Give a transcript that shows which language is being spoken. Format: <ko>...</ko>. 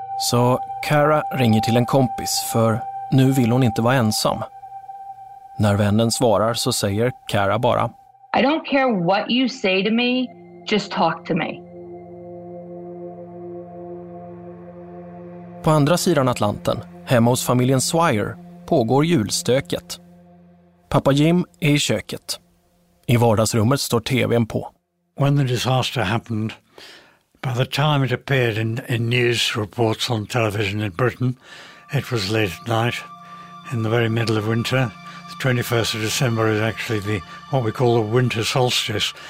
<sv>Så Cara ringer till en kompis, för nu vill hon inte vara ensam. När vännen svarar så säger Cara bara:</sv> <en>I don't care what you say to me, just talk to me.</en> <sv>På andra sidan Atlanten, hemma hos familjen Swire, pågår julstöket. Pappa Jim är i köket. I vardagsrummet står TV:n på.</sv> <en>When the disaster happened, by the time it appeared in news reports on television in Britain, it was late at night, in the very middle of winter. The 21st of December is actually the what we call the winter solstice.</en>